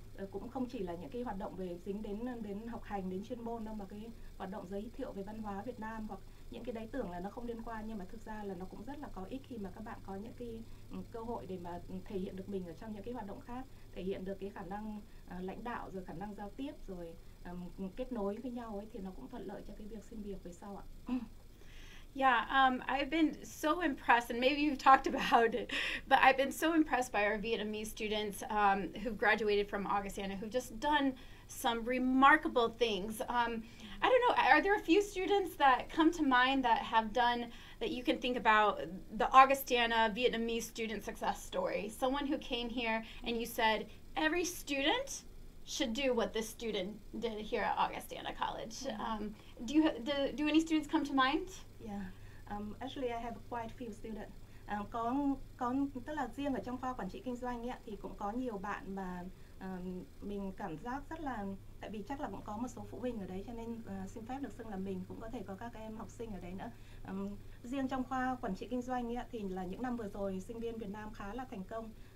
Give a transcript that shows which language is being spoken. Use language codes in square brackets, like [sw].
[vi] Cũng không chỉ là những cái hoạt động về dính đến học hành, đến chuyên môn đâu, mà cái hoạt động giới thiệu về văn hóa Việt Nam hoặc những cái đấy tưởng là nó không liên quan, nhưng mà thực ra là nó cũng rất là có ích khi mà các bạn có những cái cơ hội để mà thể hiện được mình ở trong những cái hoạt động khác, thể hiện được cái khả năng lãnh đạo, rồi khả năng giao tiếp, rồi kết nối với nhau ấy, thì nó cũng thuận lợi cho cái việc xin việc về sau ạ. [en] Yeah, I've been so impressed, and maybe you've talked about it, but I've been so impressed by our Vietnamese students who've graduated from Augustana, who've just done some remarkable things. I don't know, are there a few students that come to mind that have done, that you can think about, the Augustana Vietnamese student success story? Someone who came here and you said, every student should do what this student did here at Augustana College. Mm-hmm. Do any students come to mind? Yeah, actually I have quite few students. [vi] Có tức là riêng ở trong khoa quản trị kinh doanh ấy, thì cũng có nhiều bạn mà mình cảm giác rất là, tại vì chắc là cũng có một số phụ huynh ở đấy cho nên xin phép được xưng là mình, cũng có thể có các em học sinh ở đấy nữa. Riêng trong khoa quản trị kinh doanh ấy, thì là những năm vừa rồi sinh viên Việt Nam khá là thành công.